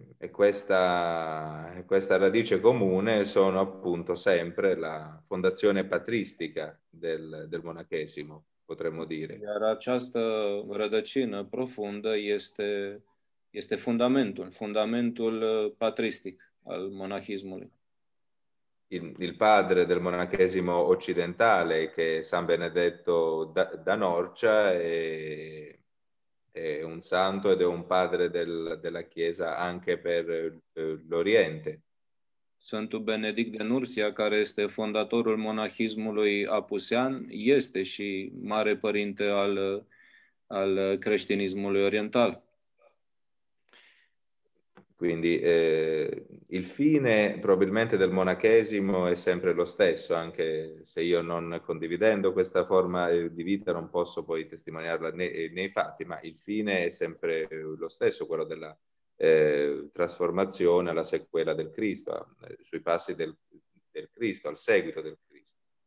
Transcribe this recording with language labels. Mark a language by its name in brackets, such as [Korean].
[Italian] Questa radice comune sono appunto sempre la fondazione patristica del monachesimo, potremmo dire. [Romanian] Iar această rădăcină profundă este fundamentul patristic al monahismului. [Italian] Il padre del monachesimo occidentale, che è San Benedetto da Norcia, è un santo ed è un padre della Chiesa anche per l'Oriente. [Romanian] Sfântul Benedict de Nursia, care este fondatorul monahismului apusean, este și mare părinte al creștinismului oriental. [Italian] Quindi il fine probabilmente del monachesimo è sempre lo stesso, anche se io non condividendo questa forma di vita non posso poi testimoniarla nei fatti, ma il fine è sempre lo stesso, quello della trasformazione alla sequela del Cristo, sui passi del Cristo, al seguito del Cristo.